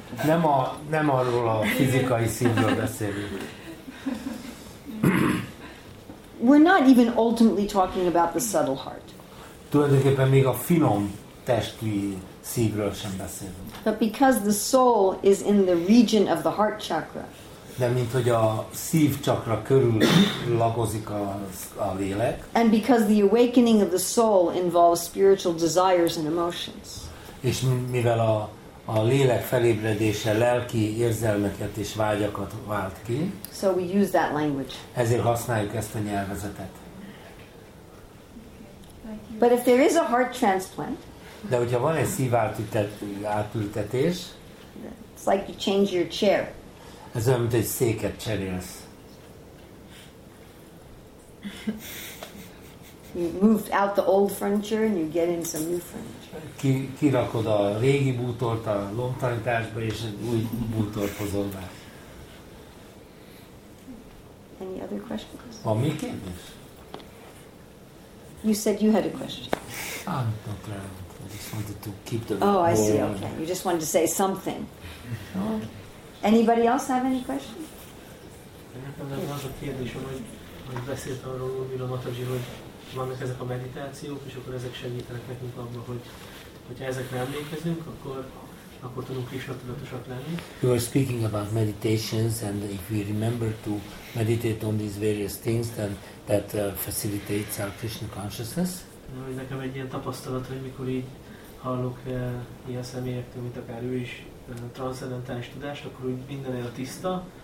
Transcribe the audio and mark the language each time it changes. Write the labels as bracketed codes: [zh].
[hu] Nem arról a fizikai szívről beszélünk. [en] We're not even ultimately talking about the subtle heart. [hu] Tulajdonképpen még a finom testi szívről sem beszélünk. [en] But because the soul is in the region of the heart chakra. [hu] De mint hogy a szív csakra körül lakozik a lélek. [en] And because the awakening of the soul involves spiritual desires and emotions. [hu] És mivel a lélek felébredése lelki érzelmeket és vágyakat vált ki. [en] So we use that language. [hu] Ezért használjuk ezt a nyelvezetet. [en] But if there is a heart transplant. [hu] De hogyha van egy szív átültetés. [en] It's like you change your chair. [hu] Ez olyan, mint egy széket cserélsz. [en] You moved out the old furniture and you get in some new furniture. [hu] Kirakod a régi bútort a lomtalanításba és új bútort hozol be. [en] Any other questions? [hu] Van még kérdés? [en] You said you had a question. I'm not around. I just wanted to keep the oh, ball. I see. Okay. You just wanted to say something. Anybody else have any questions? [hu] Nekem nem az a kérdésem, hogy beszélt arról Ujjira Mataji, hogy vannak ezek a meditációk, és akkor ezek segítenek nekünk abban, hogyha ezekre emlékezünk, akkor tudunk Krisna tudatosak lenni. [en] You are speaking about meditations, and if we remember to meditate on these various things, then that facilitates our Krishna consciousness. [hu] Nekem egy ilyen tapasztalat, hogy mikor így hallok ilyen személyektől, mint akár ő is, transzendentális tudást, akkor úgy minden olyan tiszta,